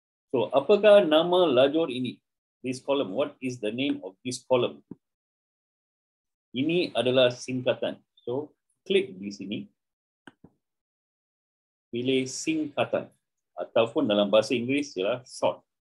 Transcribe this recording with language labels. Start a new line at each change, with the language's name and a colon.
Malay: So apakah nama lajur ini?
English: This column, what is the name of this column?
Malay: Ini adalah singkatan. So, klik di sini, pilih singkatan ataupun dalam bahasa Inggeris ialah short.